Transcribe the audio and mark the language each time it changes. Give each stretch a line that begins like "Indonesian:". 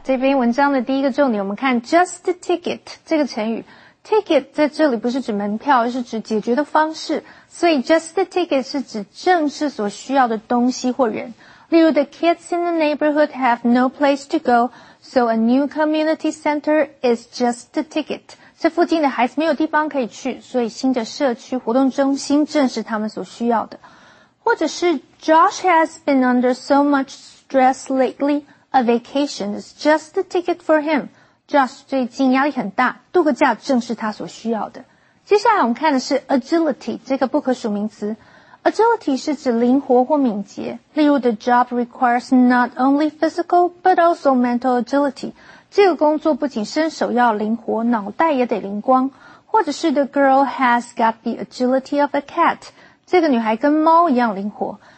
Chinese: 这篇文章的第一个重点，我们看 just the ticket 这个成语。 Ticket 在这里不是指门票，而是指解决的方式。所以 just the ticket 是指正式所需要的东西或人。例如
English: the kids in the neighborhood have no place to go, so a new community center is just the ticket.
Chinese: 这附近的孩子没有地方可以去，所以新的社区活动中心正是他们所需要的。或者是
English: Josh has been under so much stress lately, a vacation is just the ticket for him.
Chinese: Josh 最近压力很大，度个假正是他所需要的。接下来我们看的是 agility 这个不可数名词。Agility 是指灵活或敏捷。例如
English: the job requires not only physical, but also mental agility.
Chinese: 这个工作不仅身手要灵活，脑袋也得灵光。或者是
English: the girl has got the agility of a cat.
Chinese: 这个女孩跟猫一样灵活。